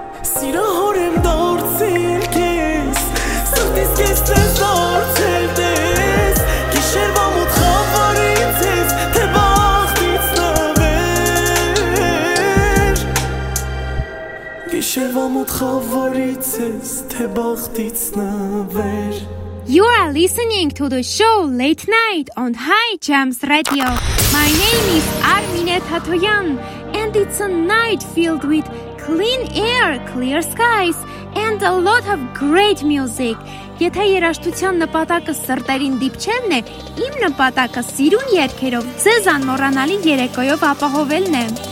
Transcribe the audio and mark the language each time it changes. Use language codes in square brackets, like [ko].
[hy] սիրա հորեմ դարձել քես, սրտիս կեսնես դարձել դես, գիշեր ամուտ խավարից ես, թե բախտից նվեր, գիշեր ամուտ խավարից ես, թե բախտից նվեր. [en] You are listening to the show Late Night on High Jams Radio. My name is Armine Tatoyan, and it's a night filled with clean air, clear skies, and a lot of great music. [hy] Եթե երաժշտության նպատակը սրտերին դիպչելն է, իմ նպատակը սիրուն երգերով ձեզ անմոռանալի երեկոյով ապահովելն է.